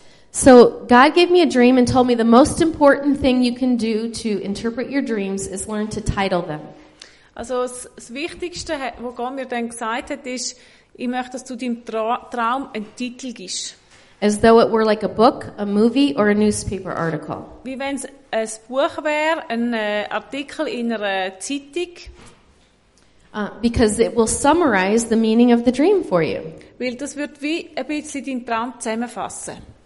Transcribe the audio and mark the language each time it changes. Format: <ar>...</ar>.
<en>So, God gave me a dream and told me the most important thing you can do to interpret your dreams is learn to title them.</en> <de>Also, das Wichtigste, was Gott mir dann gesagt hat, ist, ich möchte, dass du deinem Traum einen Titel gibst.</de> <en>As though it were like a book, a movie, or a newspaper article.</en> <de>Wie wenn's ein Buch wäre, ein Artikel in einer Zeitung.</de> <en>Because it will summarize the meaning of the dream for you.</en> <de>Weil das wird wie ein bisschen deinen Traum zusammenfassen.</de>